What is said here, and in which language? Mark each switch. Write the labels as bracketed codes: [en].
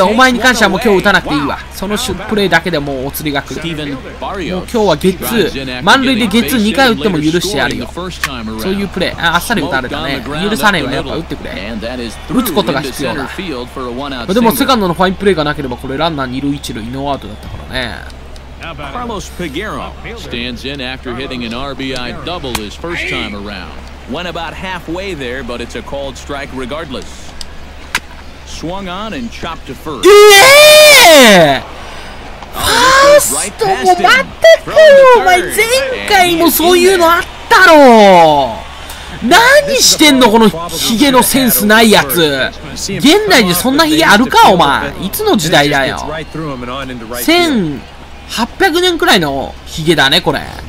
[ja] お前に関してはもう今日打たなくていいわ。そのプレーだけでもうお釣りが来る。もう今日はゲッツー、満塁でゲッツー2回打っても許してやるよ。そういうプレー、 あっさり打たれたね。許さねえよ、やっぱ打ってくれ、打つことが必要だ。でもセカンドのファインプレーがなければこれランナー2塁1塁ノーアウトだったからね。 [en] Carlos Peguero stands in after hitting an RBI double his first time around. Went about halfway there, but it's a called strike regardless. Swung on and chopped to first. Yeah! First! [ja] もう待ってくれよ、お前前回もそういうのあったろ。何してんのこのヒゲのセンスないやつ。現代でそんなヒゲあるかお前。いつの時代だよ。 1800年くらいのヒゲだねこれ。